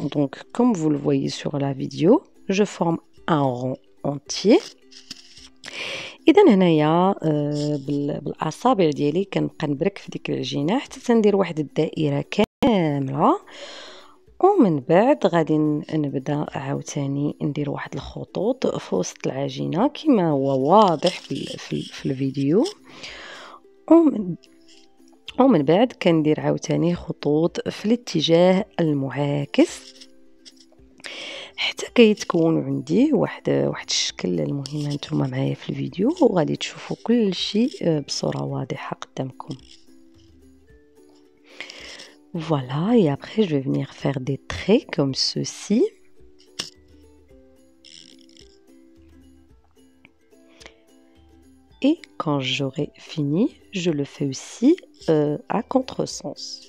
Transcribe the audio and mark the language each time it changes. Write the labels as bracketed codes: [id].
[fr] Donc, comme vous le voyez sur la vidéo, je forme un rond entier. [ar] اذا هنايا بالاصابع ديالي كنبقى نبرك في ديك العجينه حتى تندير واحد الدائره كامله، ومن بعد غادي نبدا عاوتاني ندير واحد الخطوط في وسط العجينه كما هو واضح في الفيديو. ومن بعد كندير عاوتاني خطوط في الاتجاه المعاكس حتى كيتكون عندي واحد الشكل. المهم انتم معايا في الفيديو وغادي تشوفوا كل شيء بصوره واضحه قدامكم. [fr] Voilà, et après je vais venir faire des traits comme ceci. Et quand j'aurai fini, je le fais aussi à contresens.